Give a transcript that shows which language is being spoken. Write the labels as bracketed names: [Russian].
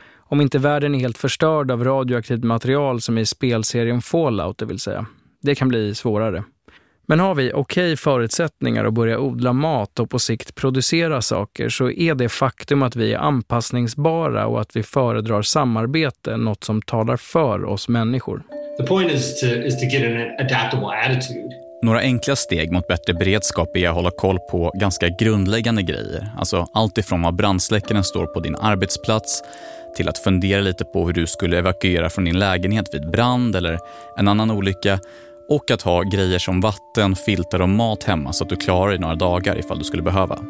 [Swedish] Om inte världen är helt förstörd av radioaktivt material som i spelserien Fallout, det vill säga. Det kan bli svårare. Men har vi okej förutsättningar att börja odla mat och på sikt producera saker, så är det faktum att vi är anpassningsbara och att vi föredrar samarbete något som talar för oss människor. [English] The point is to get an adaptable attitude. [Swedish] Några enkla steg mot bättre beredskap är att hålla koll på ganska grundläggande grejer. Alltså allt ifrån vad brandsläckaren står på din arbetsplats till att fundera lite på hur du skulle evakuera från din lägenhet vid brand eller en annan olycka. Och att ha grejer som vatten, filter och mat hemma så att du klarar dig några dagar ifall du skulle behöva.